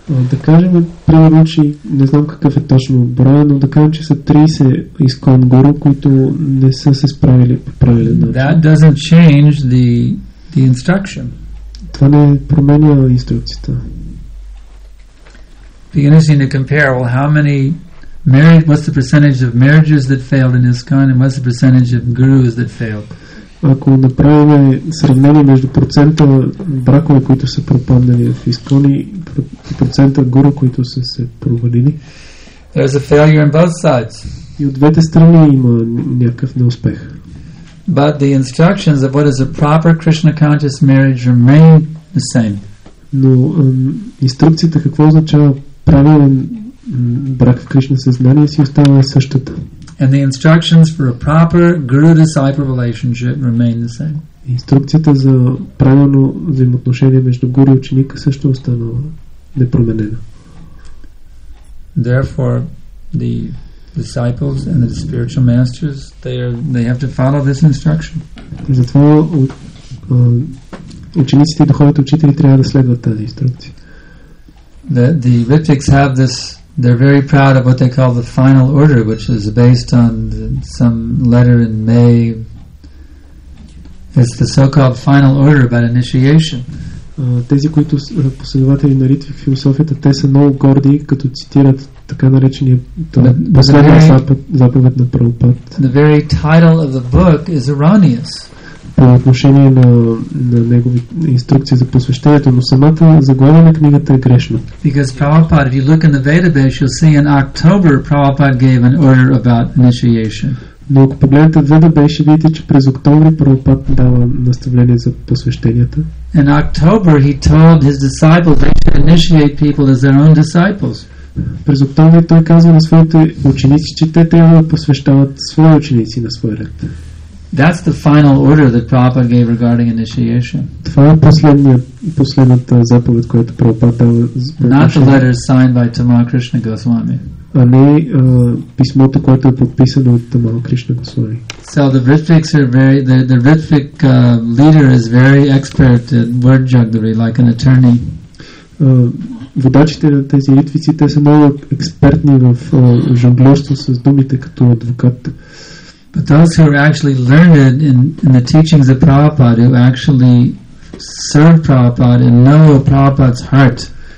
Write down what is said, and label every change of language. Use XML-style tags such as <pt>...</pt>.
<bg>Да кажем, примерно, че не знам какъв е точно броя, но да кажем, че са 30 ISKCON гуру, които не са се справили по правилен начин.</bg> <en>That doesn't change the instruction.</en> <bg>Това не променя инструкцията.</bg> <en>Be interesting to compare, well, how many married, what's the percentage of marriages that failed in ISKCON and what's the percentage of gurus that failed?</en> <bg>Ако направим сравнение между процента бракове, които са пропаднали в ИСКОН и процента гуру, които са се провалили,</bg> <en>there's a failure on both sides.</en> <bg>И от двете страни има някакъв неуспех.</bg> <en>But the instructions of what is a proper Krishna conscious marriage remain the same.</en> <bg>Но инструкцията какво означава правилен брак в Кришна съзнание си остава същата.</bg> <en>And the instructions for a proper guru-disciple relationship remain the same.</en> <bg>Инструкцията за правилно взаимоотношение между гуру и ученика също останала непроменена.</bg> <en>Therefore, the disciples and the spiritual masters, they have to follow this instruction.</en> <bg>Затова учениците и духовните учители трябва да следват тази инструкция.</bg> <en>The Vedics have this, they're very proud of what they call the final order, which is based on some letter in May. It's the so-called final order about initiation.</en> <bg>Тези, които са последователи на ритви в философията, те са много горди, като цитират така наречения последния заповед на Прабхупад.</bg> <en>The very title of the book is erroneous.</en> <bg>По отношение на негови инструкции за посвещението, но самата заглавие на книгата е грешна.</bg> <en>Because Prabhupada, if you look in the Vedabesh, you'll see in October Prabhupada gave an order about initiation.</en> <bg>Но ако погледнете Vedabesh, видите, че през октомври Прабхупада дава наставление за посвещенията.</bg> <en>In October he told his disciples they should initiate people as their own disciples.</en> <bg>През октомври той казва на своите ученици, че те трябва да посвещават свои ученици на свой ред.</bg> <en>That's the final order that Prabhupada gave regarding initiation.</en> <bg>Това е последната заповед, която Прабхупада дава.</bg> <en>Not the letter signed by Tamal Krishna Goswami.</en> <bg>А не писмото, което е подписано от Тамал Кришна Госвами.</bg> <en>So the Ritviks are very, the Ritvik leader is very expert at word jugglery, like an attorney.</en> <bg>Водачите на тези ритвици, те са много експертни в жонглерство с думите като адвокат.</bg> <en>But those who are actually learned in the teachings of Prabhupada, who actually serve Prabhupada and know Prabhupada's heart.</en>